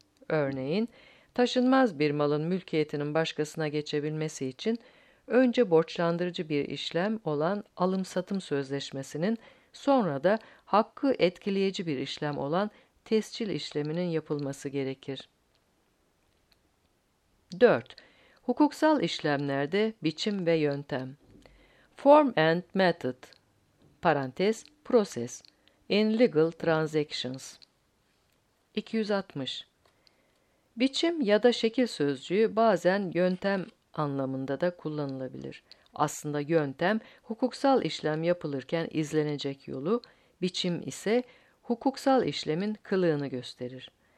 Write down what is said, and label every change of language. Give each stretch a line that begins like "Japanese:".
Turkish: Örneğin, taşınmaz bir malın mülkiyetinin başkasına geçebilmesi için önce borçlandırıcı bir işlem olan alım-satım sözleşmesinin sonra da hakkı etkileyici bir işlem olan tescil işleminin yapılması gerekir. 4. Hukuksal işlemlerde biçim ve yöntem.
English: Form and method (parantez process) in legal transactions.
Turkish: 260. Biçim ya da şekil sözcüğü bazen yöntem anlamında da kullanılabilir. Aslında yöntem, hukuksal işlem yapılırken izlenecek yolu, biçim ise hukuksal işlemin kılığını gösterir.